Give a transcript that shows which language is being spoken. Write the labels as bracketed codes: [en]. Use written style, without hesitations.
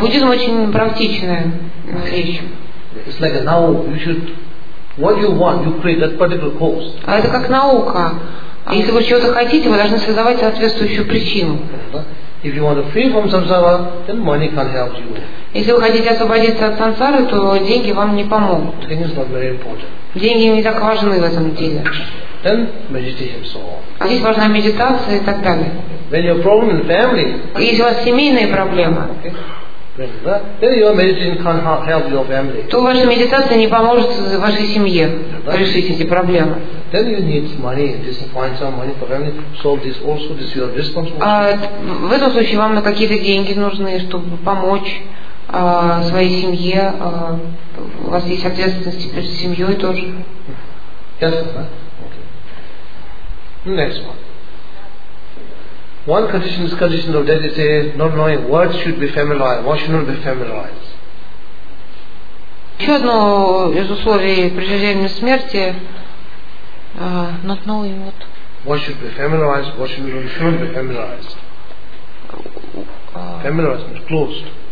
[ru] Буддизм очень практичная вещь. [en] It's like a now. You should what you want, you create that particular cause. [ru] А это как наука. Если вы чего-то хотите, вы должны создавать соответствующую причину. [en] If you want to free from samsara, then money can help you. [ru] Если вы хотите освободиться от сансары, то деньги вам не помогут. [en] It is not very important. [ru] Деньги не так важны в этом деле. [en] Then meditation so on. [ru] А здесь важна медитация и так далее. [en] When your problem in family, [ru] если у вас семейные проблемы, [en] then your medicine can't help your family. [ru] То ваша медитация не поможет вашей семье решить эти проблемы. [en] Then you need money, just find some money for family, solve this also, this your responsibility. [ru] А в этом случае вам на какие-то деньги нужны, чтобы помочь своей семье, у вас есть ответственность перед семьей тоже. [en] Yes, okay. Next one. One condition is condition of death is not knowing what should be familiarized, what should not be familiarized. [ru] Еще одно из условий преждевременной смерти, [en] not knowing what. What should be familiarized, what should not be familiarized. Familiarized means closed.